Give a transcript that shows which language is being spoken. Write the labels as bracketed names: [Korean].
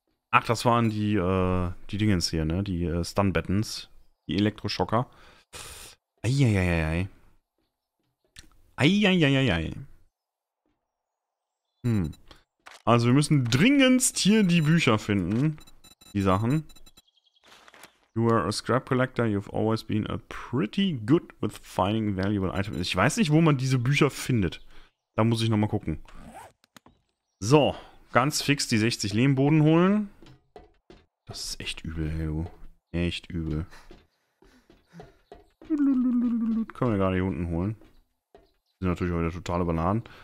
[German] Ach, das waren die, die Dingens hier, ne? Die Stun-Battens. Die Elektroschocker. Eieieiei. Eieieiei. Also wir müssen dringendst hier die Bücher finden. Die Sachen. [English] You are a scrap collector. You've always been a pretty good with finding valuable items. [German] Ich weiß nicht, wo man diese Bücher findet. Da muss ich nochmal gucken. So, ganz fix die 60 Lehmboden holen. Das ist echt übel, ey, du. Echt übel. Können wir gerade hier unten holen. Sind natürlich heute total überladen.